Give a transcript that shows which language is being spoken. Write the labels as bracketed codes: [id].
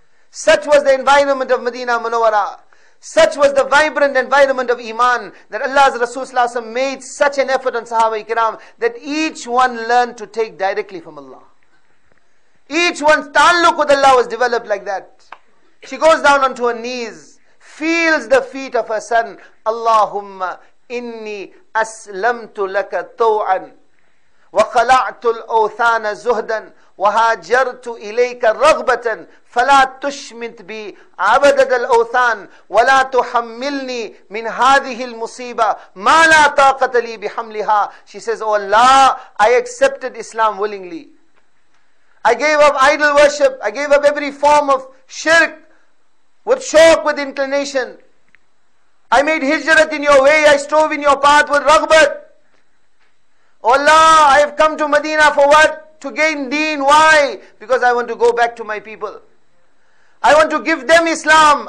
[en] Such was the environment of Madinah Munawwara. Such was the vibrant environment of Iman that Allah's Rasul sallallahu alaihi wasallam made such an effort on Sahaba ikram that each one learned to take directly from Allah. Each one's ta'alluq with Allah was developed like that. She goes down onto her knees, feels the feet of her son. [ar] Allahumma inni aslamtu laka taw'an wa khala'tu al-awthana zuhdan وَهَاجَرْتُ إِلَيْكَ رَغْبَةً فَلَا تُشْمِتْ بِي عَبَدَدَ الْأَوْثَانِ وَلَا تُحَمِّلْنِي مِنْ هَذِهِ الْمُصِيبَةِ مَا لَا طَاقَةَ لِي بِحَمْلِهَا [en] She says, Oh Allah, I accepted Islam willingly. I gave up idol worship. I gave up every form of shirk with shock, with inclination. I made hijrat in your way. I strove in your path with raghbat. Oh Allah, I have come to Medina for what? To gain deen. Why? Because I want to go back to my people. I want to give them Islam.